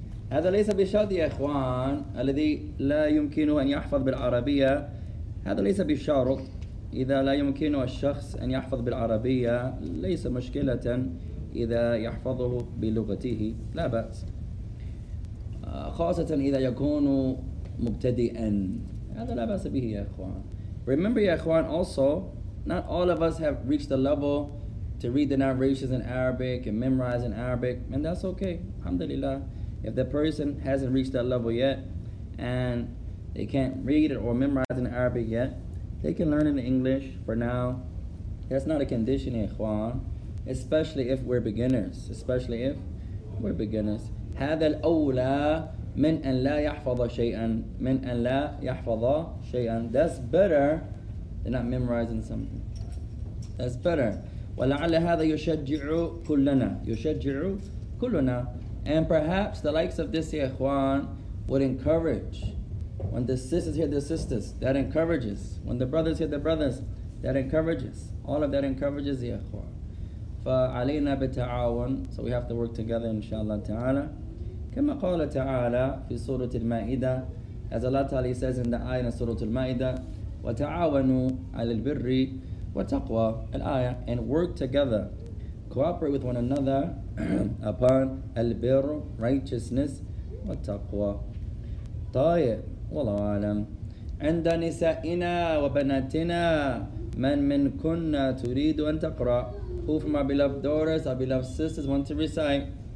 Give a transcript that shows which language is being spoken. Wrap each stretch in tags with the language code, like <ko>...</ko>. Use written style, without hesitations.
<ar>هذا ليس بشرط يا إخوان الذي لا يمكنه أن يحفظ بالعربية. هذا ليس بشرط. إذا لا يمكنه الشخص أن يحفظ بالعربية ليس مشكلة إذا يحفظه بلغته لا بأس, خاصة إذا يكون مبتدئا هذا لا بأس به يا إخوان.</ar> <en>Remember</en> <ar>يا إخوان</ar> <en>also not all of us have reached the level to read the narrations in Arabic and memorize in Arabic, and that's okay. Alhamdulillah, if the person hasn't reached that level yet and they can't read it or memorize in Arabic yet, they can learn in English for now. That's not a condition</en> <ar>يا إخوان,</ar> <en>especially if we're beginners.</en> <ar>هذا الأولى من أن لا يحفظ شيئا من أن لا يحفظ شيئا.</ar> <en>That's better than not memorizing something. That's better.</en> <ar>ولعل هذا يشجع كلنا يشجع كلنا.</ar> <en>And perhaps the likes of this here, إخوان, would encourage. When the sisters hear the sisters, that encourages. When the brothers hear the brothers, that encourages. All of that encourages</en> <ar>يا إخوان. فعلينا بتعاون.</ar> <en>So we have to work together</en> <ar>إن شاء الله تعالى. كما قال تعالى في سورة المائدة,</ar> <en>as Allah Ta'ala says in the ayah in</en> <ar>سورة المائدة, وتعاونوا على البر وَتَقْوَى الآية</ar> <en>and work together, cooperate with one another upon البر righteousness وتقوى.</en> <ar>طيب والله أعلم. عند نسائنا وبناتنا من منكن تريد أن تقرأ.</ar> <en>Who from our beloved daughters, our beloved sisters want to recite?</en>